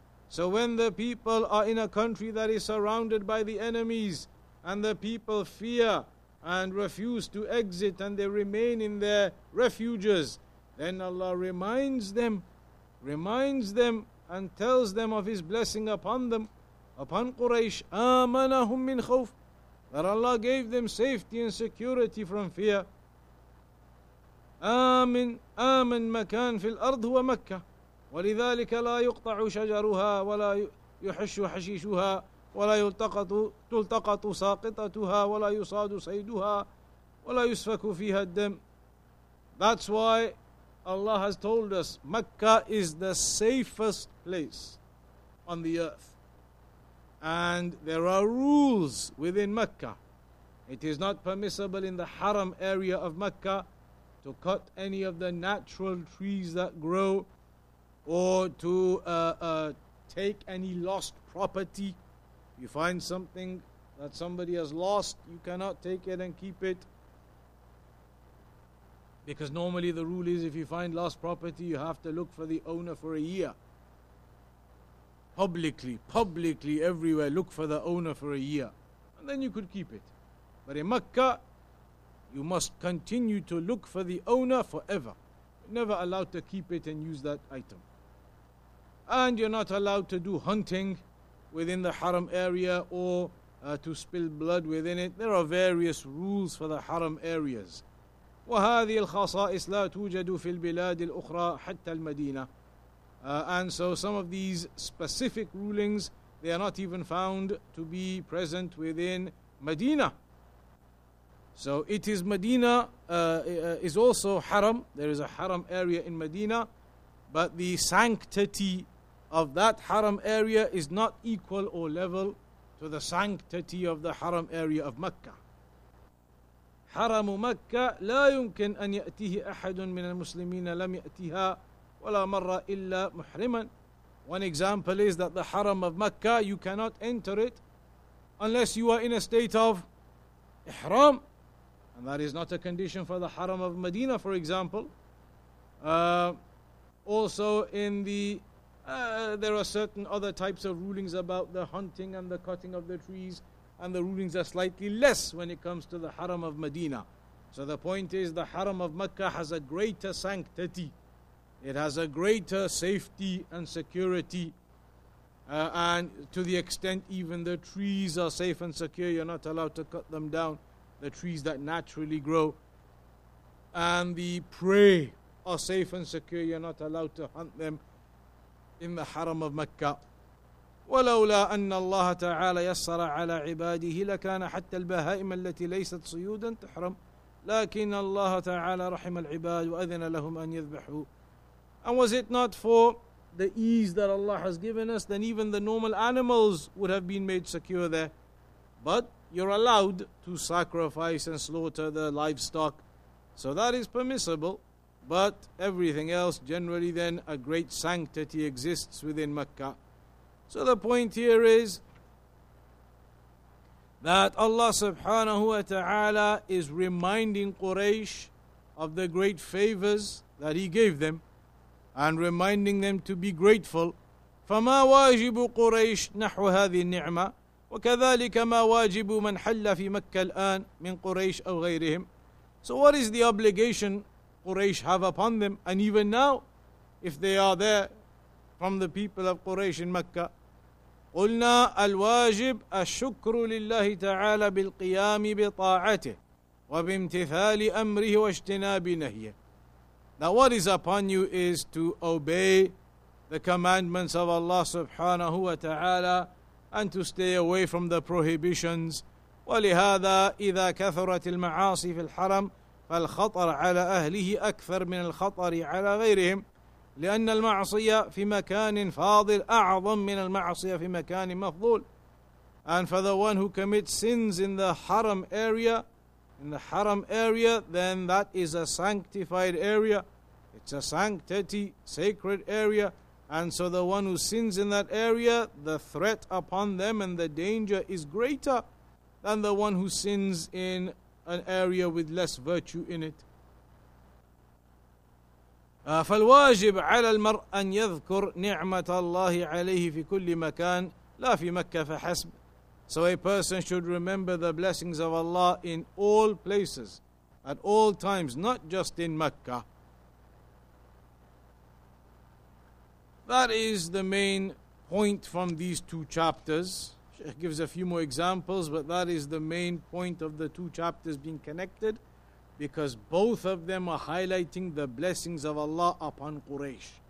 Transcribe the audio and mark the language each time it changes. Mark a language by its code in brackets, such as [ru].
[en] So when the people are in a country that is surrounded by the enemies, and the people fear and refuse to exit, and they remain in their refuges, then Allah reminds them and tells them of His blessing upon them, upon Quraysh. [ar] آمَنَهُم مِّن خَوْفٍ. [en] that Allah gave them safety and security from fear. [ar] آمن آمن مكان في الأرض هو مكة ولذلك لا يقطع شجرها ولا يحش حشيشها ولا تلتقط ساقطتها ولا يصاد صيدها ولا يسفك فيها الدم. [en] That's why Allah has told us Mecca is the safest place on the earth. And there are rules within Mecca. It is not permissible in the Haram area of Mecca to cut any of the natural trees that grow or to take any lost property. You find something that somebody has lost, you cannot take it and keep it. Because normally the rule is if you find lost property, you have to look for the owner for a year. Publicly everywhere, look for the owner for a year. And then you could keep it. But in Mecca, you must continue to look for the owner forever. You're never allowed to keep it and use that item. And you're not allowed to do hunting within the Haram area or to spill blood within it. There are various rules for the Haram areas. [ar] وهذه الخصائص لا توجد في البلاد الأخرى حتى المدينة. [en] And so some of these specific rulings, they are not even found to be present within Medina. So it is Medina, is also Haram. There is a Haram area in Medina, but the sanctity of that Haram area is not equal or level to the sanctity of the Haram area of Mecca. [ar] حرم مكة لا يمكن أن يأتيه أحد من المسلمين لم يأتيها ولا مرة إلا محرما. [en] One example is that the Haram of Mecca, you cannot enter it unless you are in a state of Ihram. And that is not a condition for the Haram of Medina, for example. Also in the, there are certain other types of rulings about the hunting and the cutting of the trees. And the rulings are slightly less when it comes to the Haram of Medina. So the point is, the Haram of Mecca has a greater sanctity. It has a greater safety and security. And to the extent even the trees are safe and secure, you're not allowed to cut them down, the trees that naturally grow. And the prey are safe and secure, you're not allowed to hunt them in the Haram of Mecca. [ar] ولولا أن الله تعالى يسر على عباده لكان حتى البهائم التي ليست صيودا تحرم لكن الله تعالى رحم العباد وأذن لهم أن يذبحوا. [en] And was it not for the ease that Allah has given us, then even the normal animals would have been made secure there. But you're allowed to sacrifice and slaughter the livestock. So that is permissible. But everything else, generally then, a great sanctity exists within Mecca. So the point here is that Allah subhanahu wa ta'ala is reminding Quraysh of the great favors that He gave them and reminding them to be grateful. [ar] فَمَا وَاجِبُ قُرَيْشِ نَحْوَ هَذِي النِّعْمَةِ وَكَذَلِكَ مَا وَاجِبُ مَنْ حَلَّ فِي مَكَّ الْآنِ مِنْ قُرَيْشِ أَوْ غَيْرِهِمْ. [en] So what is the obligation Quraysh have upon them? And even now, if they are there, from the people of Quraysh in Mecca. [ar] قلنا الواجب الشكر لله تعالى بالقيام بطاعته وبامتثال أمره واجتناب نهيه. [en] Now what is upon you is to obey the commandments of Allah [ar] سبحانه وتعالى [en] and to stay away from the prohibitions. [ar] ولهذا إذا كثرت المعاصي في الحرم فالخطر على أهله أكثر من الخطر على غيرهم. لأن المعصية في مكان فاضل أعظم من المعصية في مكان مفضول. [en] And for the one who commits sins in the haram area, then that is a sanctified area. It's a sanctity, sacred area. And so the one who sins in that area, the threat upon them and the danger is greater than the one who sins in an area with less virtue in it. [ar] فالواجب على المرء أن يذكر نعمة الله عليه في كل مكان لا في مكة فحسب. [en] So a person should remember the blessings of Allah in all places, at all times, not just in Mecca. That is the main point from these two chapters. Sheikh gives a few more examples, but that is the main point of the two chapters being connected, because both of them are highlighting the blessings of Allah upon Quraysh.